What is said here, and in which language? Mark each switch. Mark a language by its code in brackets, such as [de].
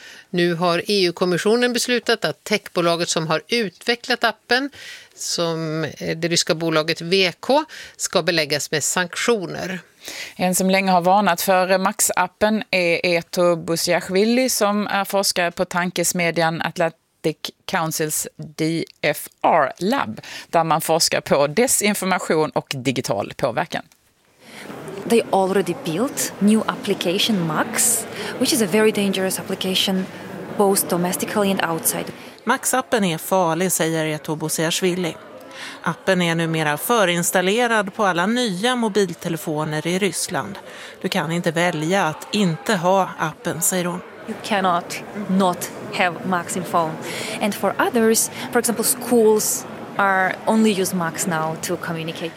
[sv] Nu har EU-kommissionen beslutat att techbolaget som har utvecklat appen, som det ryska bolaget VK, ska beläggas med sanktioner. En som länge har varnat för Max-appen är Eto Busiashvili, som är forskare på tankesmedjan Atlantic Councils DFR Lab, där man forskar på desinformation och digital påverkan. [en] They already built new application Max, which is a very dangerous application both domestically and outside. [sv] Max-appen är farlig, säger Eto Busiashvili. Appen är numera förinstallerad på alla nya mobiltelefoner i Ryssland. Du kan inte välja att inte ha appen, säger hon. [en] You cannot not have Max in phone. And for others, for example schools are only use Max now to communicate.